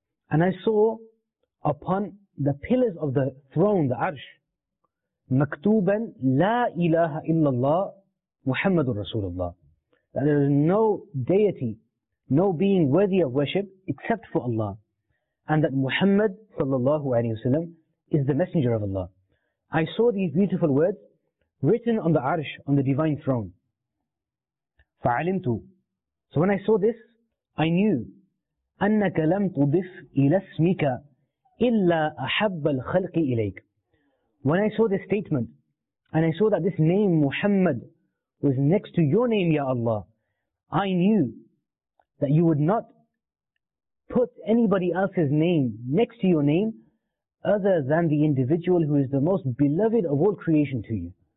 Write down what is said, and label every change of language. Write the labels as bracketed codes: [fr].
[en] And I saw upon the pillars of the throne, the arsh, [ar] مَكْتُوبًا لَا إِلَهَ إِلَّا اللَّهِ مُحَمَّدٌ رَسُولُ اللَّهِ. [en] That there is no deity, no being worthy of worship except for Allah, and that Muhammad sallallahu alayhi wa sallam is the messenger of Allah. I saw these beautiful words written on the arsh, on the divine throne. [ar] فَعَلِمْتُ. [en] So when I saw this, I knew, [ar] أَنَّكَ لَمْ تُضِفْ إِلَى اسْمِكَ إِلَّا أَحَبَّ الْخَلْقِ إِلَيْكَ. [en] When I saw this statement, and I saw that this name Muhammad was next to your name, Ya Allah, I knew that you would not put anybody else's name next to your name other than the individual who is the most beloved of all creation to you.